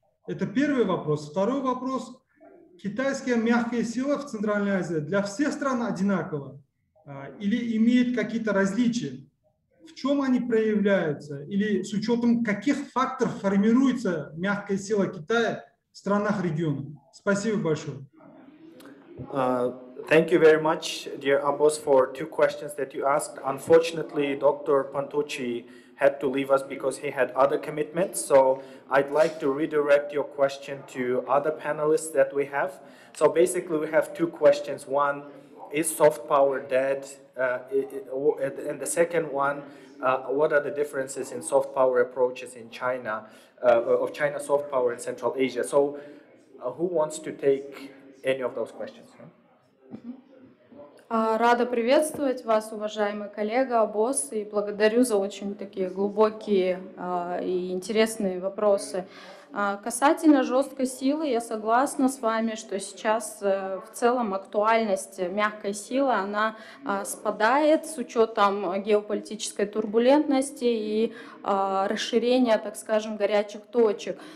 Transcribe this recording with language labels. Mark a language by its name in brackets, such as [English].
[Russian] Это первый вопрос. Второй вопрос. Китайская мягкая сила в Центральной Азии для всех стран одинакова или имеет какие-то различия? В чем они проявляются? Или с учетом каких факторов формируется мягкая сила Китая в странах региона? Спасибо большое. [English] Thank you very much, dear Abbas, for two questions that you asked. Unfortunately, Dr. Pantucci had to leave us because he had other commitments. So I'd like to redirect your question to other panelists that we have. So basically, we have two questions. One, is soft power dead? And the second one, what are the differences in soft power approaches in China, of China soft power in Central Asia? So who wants to take any of those questions? [Russian] Рада приветствовать вас, уважаемый коллега, босс, и благодарю за очень такие глубокие и интересные вопросы. Касательно жесткой силы, я согласна с вами, что сейчас в целом актуальность мягкой силы, она спадает с учетом геополитической турбулентности и расширения, так скажем, горячих точек.